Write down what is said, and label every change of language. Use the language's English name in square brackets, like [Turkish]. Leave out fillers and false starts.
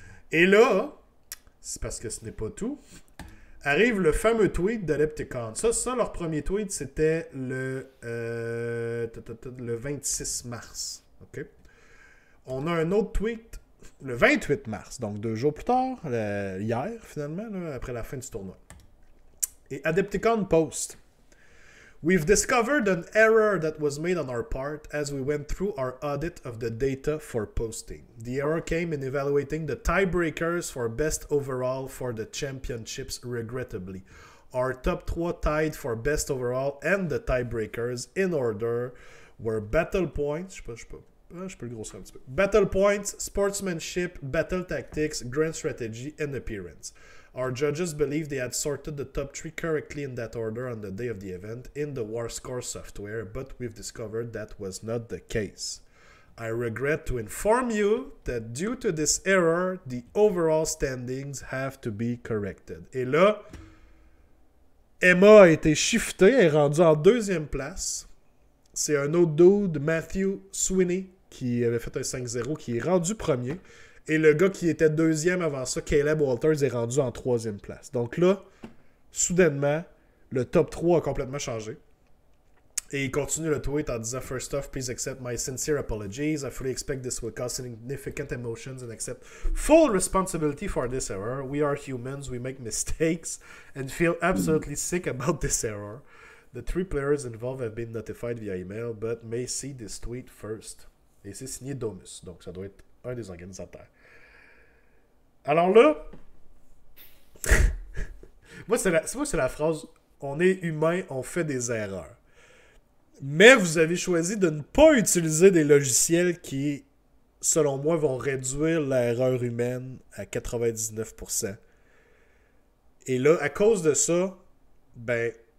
[French] Et là, c'est parce que ce n'est pas tout, arrive le fameux tweet d'Adepticon. Ça, leur premier tweet, c'était le 26 mars. Okay? On a un autre tweet le 28 mars, donc 2 jours plus tard, hier finalement, là, après la fin du tournoi. Et Adepticon post. [English] We've discovered an error that was made on our part as we went through our audit of the data for posting. The error came in evaluating the tiebreakers for best overall for the championships, regrettably. Our top 3 tied for best overall and the tiebreakers in order were battle points. [French] Je peux le grossir un petit peu. [English] Battle points, sportsmanship, battle tactics, grand strategy and appearance. Our judges believe they had sorted the top 3 correctly in that order on the day of the event in the War Score software, but we've discovered that was not the case. I regret to inform you that due to this error, the overall standings have to be corrected. [French] Et là, Emma a été shiftée, elle est rendue en deuxième place. C'est un autre dude, Matthew Sweeney, qui avait fait un 5-0, qui est rendu premier. Et le gars qui était deuxième avant ça, Caleb Walters, est rendu en troisième place. Donc là, soudainement, le top 3 a complètement changé. Et il continue le tweet en disant: [English] First off, please accept my sincere apologies. I fully expect this will cause significant emotions and accept full responsibility for this error. We are humans, we make mistakes and feel absolutely sick about this error. The three players involved have been notified via email, but may see this tweet first. [French] Et c'est signé Domus, donc ça doit être un des organisateurs. Alors là, moi c'est la phrase, on est humain, on fait des erreurs. Mais vous avez choisi de ne pas utiliser des logiciels qui, selon moi, vont réduire l'erreur humaine à 99%. Et là, à cause de ça, ben,